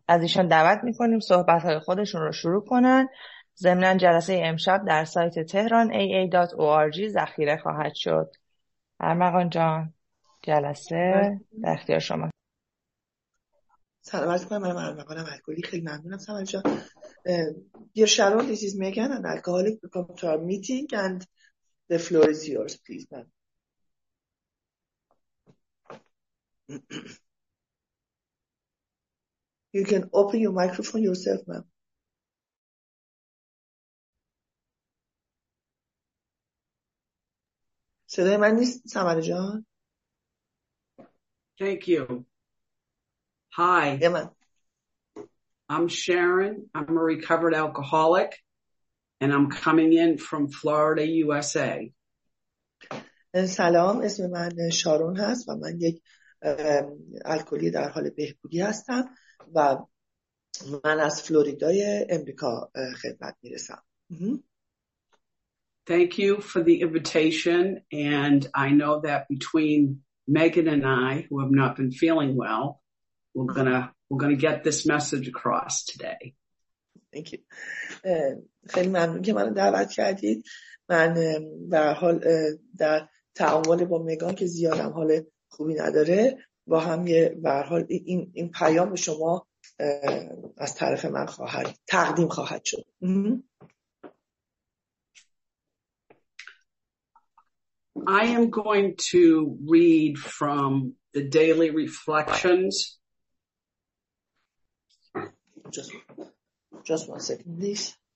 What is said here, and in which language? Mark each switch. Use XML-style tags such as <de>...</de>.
<fa>از ایشان دعوت می کنیم صحبت های خودشون رو شروع کنند. ضمن جلسه امشب در سایت تهران ای ای دات او آر جی ذخیره خواهد شد. ارمغان جان، جلسه در اختیار شما. سلام عرض می‌کنم، من ارمغانم الکلی. خیلی ممنونم سمر جان.</fa> <en>Dear Sharon, this is Megan, an alcoholic. Welcome to our meeting and the floor is yours, please, ma'am. You can open your microphone yourself, ma'am.</en> <fa>صدای من نیست سمر جان؟</fa> <en>Thank you. Hi. Emma. I'm Sharon. I'm a recovered alcoholic and I'm coming in from Florida, USA.</en> <fa>سلام، اسم من شارون هست و من یک الکلی در حال بهبودی هستم و من از فلوریدای امریکا خدمت میرسم.</fa> <en>Thank you for the invitation and I know that between Megan and I, who have not been feeling well, we're gonna get this message across today. Thank you.</en> <fa>خیلی ممنون که منو دعوت کردید. من به هر حال در تعامل با میگان که زیادم حال خوبی نداره، با هم یه به هر حال این پیام به شما از طرف من خواهد تقدیم خواهد شد.</fa> <en>I am going to read from the Daily Reflections. Just one second, please.</en>